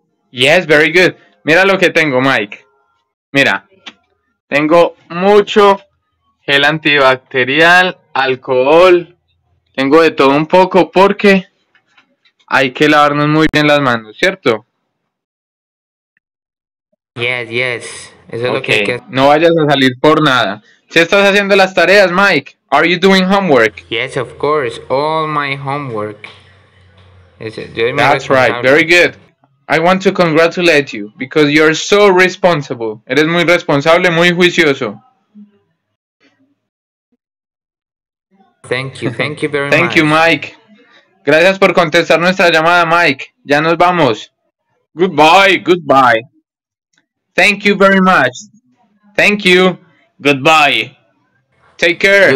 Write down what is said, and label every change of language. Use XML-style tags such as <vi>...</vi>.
<en>Yes, very good.</en> <es>Mira lo que tengo, Mike. Mira, tengo mucho gel antibacterial, alcohol. Tengo de todo un poco porque hay que lavarnos muy bien las manos, ¿cierto? Yes, eso es lo que hay que hacer. No vayas a salir por nada. ¿Sí estás haciendo las tareas, Mike?</es> <en>Are you doing homework? Yes, of course, all my homework. That's right, very good. I want to congratulate you because you're so responsible.</en> <es>Eres muy responsable, muy juicioso.</es> <en>Thank you very much. Thank you, Mike.</en> <es>Gracias por contestar nuestra llamada, Mike. Ya nos vamos.</es> <en>Goodbye. Thank you very much. Thank you. Goodbye. Take care.</en>